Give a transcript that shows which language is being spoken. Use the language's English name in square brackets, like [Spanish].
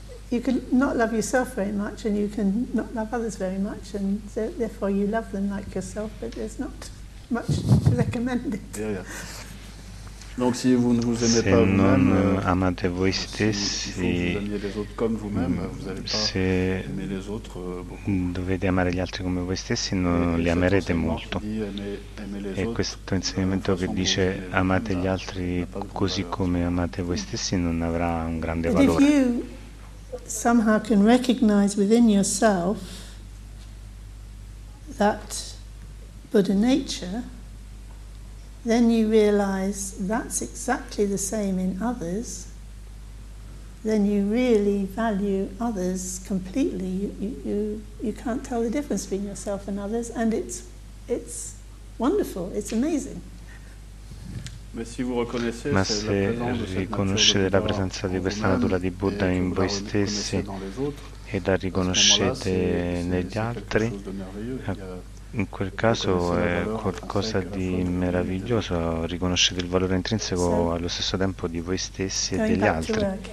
[English] You can not love yourself very much, and you can not love others very much, and therefore you love them like yourself, but there's not much to recommend it. [French] Donc si vous ne vous aimez pas vous-même, [Italian] amate voi stessi, [French] si vous aimez les autres comme vous-même, vous n'allez pas aimer les autres beaucoup. [Italian] Dovete amare gli altri come voi stessi, non li amerete molto. E questo insegnamento che dice amate gli altri così come amate voi stessi non avrà un grande valore. [English] Somehow can recognize within yourself that Buddha nature, then you realize that's exactly the same in others, then you really value others completely. You can't tell the difference between yourself and others, and it's wonderful, it's amazing. [Italian] Ma se riconoscete la presenza di questa natura di Buddha in voi stessi e la riconoscete negli altri, in quel caso è qualcosa di meraviglioso, riconoscete il valore intrinseco allo stesso tempo di voi stessi e degli altri.